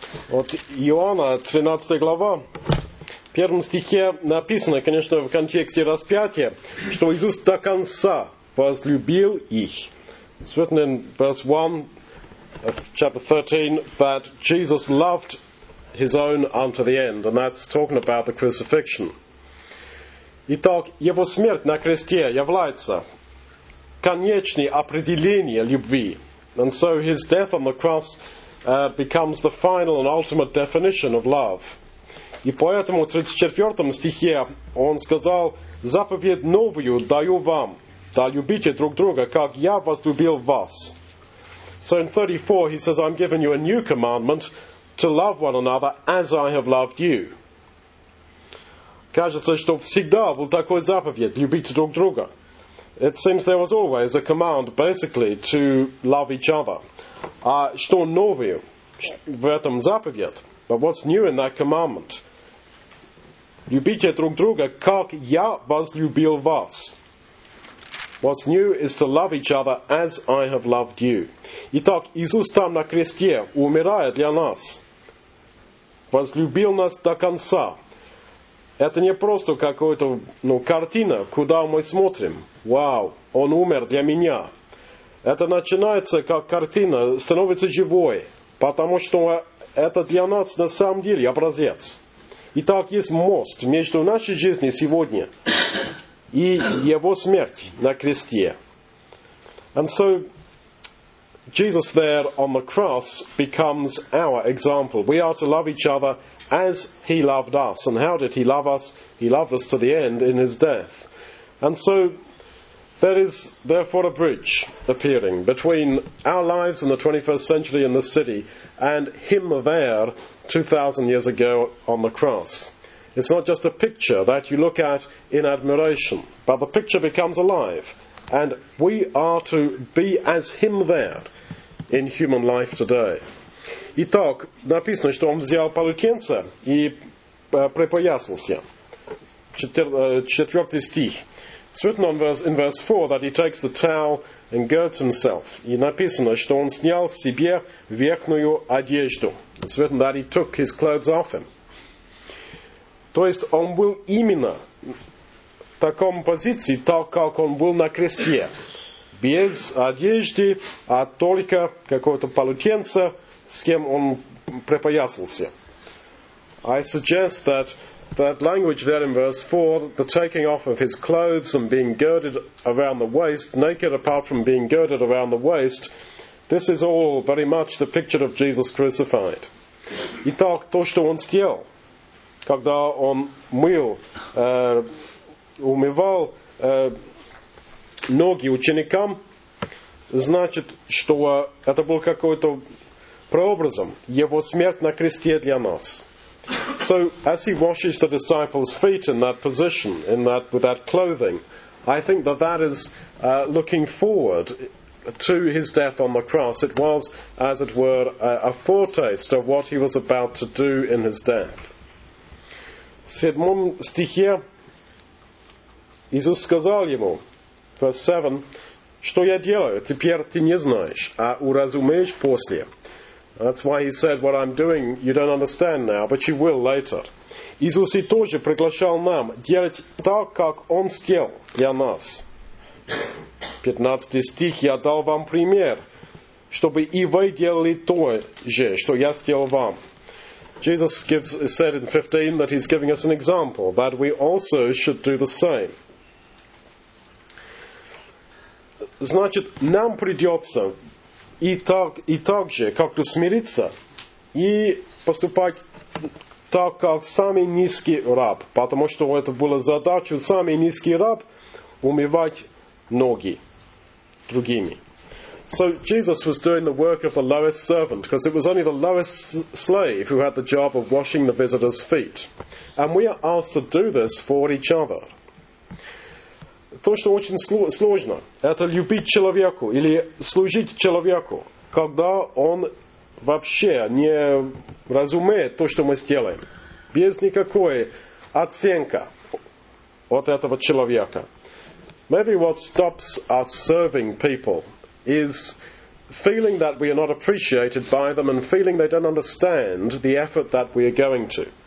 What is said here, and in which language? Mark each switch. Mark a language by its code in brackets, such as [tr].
[ru] От Иоанна, 13 глава, в первом стихе написано, конечно, в контексте распятия, что Иисус до конца возлюбил их. [en] It's written in verse 1 of chapter 13 that Jesus loved his own unto the end, and that's talking about the crucifixion. [ru] Итак, его смерть на кресте является конечным определением любви. [en] And so his death on the cross becomes the final and ultimate definition of love. [ru] И поэтому в 34 стихе он сказал, заповедь новую даю вам, да любите друг друга, как я возлюбил вас. [en] So in 34 he says, I'm giving you a new commandment to love one another as I have loved you. [ru] Кажется, что всегда был такой заповедь, любите друг друга. [en] It seems there was always a command, basically, to love each other. [ru] Что новое в этом заповеди? [en] But what's new in that commandment? [ru] Любите друг друга, как я возлюбил вас. [en] What's new is to love each other as I have loved you. [ru] Итак, Иисус там на кресте умирает для нас. Возлюбил нас до конца. Это не просто какая-то картина, куда мы смотрим. Вау, он умер для меня. Это начинается как картина, становится живой, потому что это для нас на самом деле образец. Итак, есть мост между нашей жизнью сегодня и его смертью на кресте. [en] And so, Jesus there on the cross becomes our example. We are to love each other as he loved us. And how did he love us? He loved us to the end in his death. And so, there is therefore a bridge appearing between our lives in the 21st century in the city and him there 2,000 years ago on the cross. It's not just a picture that you look at in admiration, but the picture becomes alive. And we are to be as him there in human life today. [ru] Итак, написано, что он взял полотенце и припоясался. Четвертый стих. [en] It's written in verse 4 that he takes the towel and girds himself. [ru] И написано, что он снял себе верхнюю одежду. [en] It's written that he took his clothes off him. [ru] То есть он был именно в таком позиции, так как он был на кресте. Без одежды, а только какого-то полотенца, с кем он припоясался. [en] I suggest that that language there in verse 4, the taking off of his clothes and being girded around the waist, naked apart from being girded around the waist, this is all very much the picture of Jesus crucified. [ru] Итак, то, что он съел, когда он мыл, умывал ноги ученикам, значит, что это был какой-то прообразом его смерть на кресте для нас. [en] So as he washes the disciples' feet in that position, in that with that clothing, I think that that is looking forward to his death on the cross. It was, as it were, a foretaste of what he was about to do in his death. [ru] Седьмом стихе Иисус сказал ему, [en] verse 7, [ru] что я делаю, теперь ты не знаешь, а уразумеешь после. [en] That's why he said, what I'm doing, you don't understand now, but you will later. [ru] Иисус и тоже приглашал нам делать так, как он съел для нас. 15 стих, я дал вам пример, чтобы и вы делали то же, что я съел вам. [en] Jesus said in 15 that he's giving us an example, that we also should do the same. [ru] Значит, нам придется и так же как-то смириться и поступать так, как самый низкий раб, потому что это была задача самый низкий раб умывать ноги другими. [en] So Jesus was doing the work of the lowest servant, because it was only the lowest slave who had the job of washing the visitor's feet. And we are asked to do this for each other. [ru] То, что очень сложно, это любить человеку или служить человеку, когда он вообще не разумеет то, что мы сделаем. Без никакой оценки от этого человека. [en] Maybe what stops us serving people is feeling that we are not appreciated by them and feeling they don't understand the effort that we are going to.